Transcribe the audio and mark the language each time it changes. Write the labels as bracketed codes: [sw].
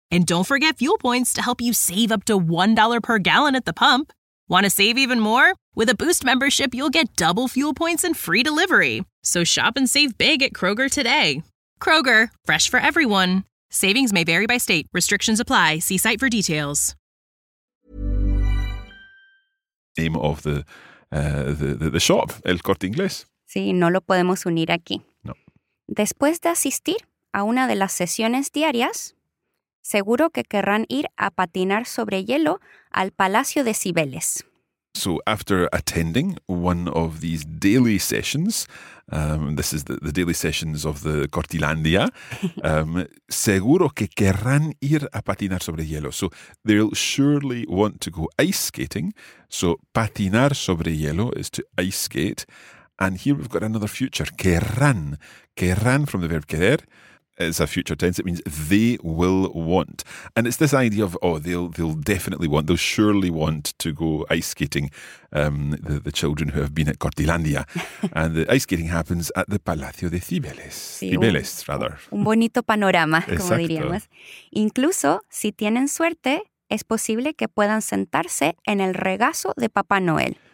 [en] And don't forget fuel points to help you save up to $1 per gallon at the pump. Want to save even more? With a Boost membership, you'll get double fuel points and free delivery. So shop and save big at Kroger today. Kroger, fresh for everyone. Savings may vary by state. Restrictions apply. See site for details. Name of the shop, El Corte Inglés. [es] Sí, no lo podemos unir aquí. No. Después de asistir a una de las sesiones diarias, seguro que querrán ir a patinar sobre hielo al Palacio de Cibeles. [en] So after attending one of these daily sessions, this is the daily sessions of the Cortilandia, [es] seguro que querrán ir a patinar sobre hielo. [en] So they'll surely want to go ice skating. So [es] patinar sobre hielo [en] is to ice skate. And here we've got another future, querrán. Querrán from the verb querer is a future tense. It means they will want. And it's this idea of, oh, they'll definitely want, they'll surely want to go ice skating, the children who have been at Cortilandia. And the ice skating happens at the Palacio de Cibeles. [es] Sí, [en] Cibeles, rather. [es] Un bonito panorama, como diríamos. Incluso, si tienen suerte, es posible que puedan sentarse en el regazo de Papá Noel.